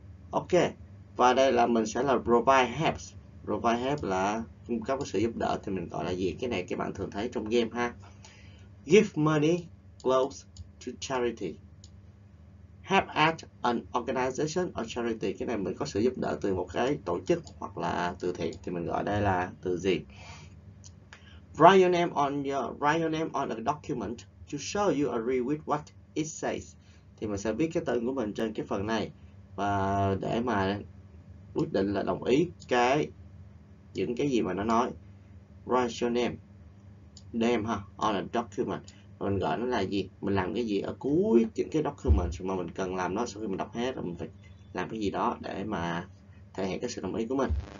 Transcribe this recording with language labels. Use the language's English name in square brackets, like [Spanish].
[Vietnamese] Ok, và đây là mình sẽ là provide help. Provide help là cung cấp sự giúp đỡ thì mình gọi là gì? Cái này các bạn thường thấy trong game ha. [English] Give money, clothes to charity. Help at an organization or charity. [Vietnamese] Cái này mình có sự giúp đỡ từ một cái tổ chức hoặc là từ thiện thì mình gọi đây là từ gì? [English] Write your name on a document to show you agree with what it says. [Vietnamese] Thì mình sẽ viết cái tên của mình trên cái phần này và để mà quyết định là đồng ý cái những cái gì mà nó nói. [English] Write your name. [Vietnamese] Name ha, [English] on a document. [Vietnamese] Mình gọi nó là gì? Mình làm cái gì ở cuối những cái document mà mình cần làm nó, sau khi mình đọc hết rồi mình phải làm cái gì đó để mà thể hiện cái sự đồng ý của mình.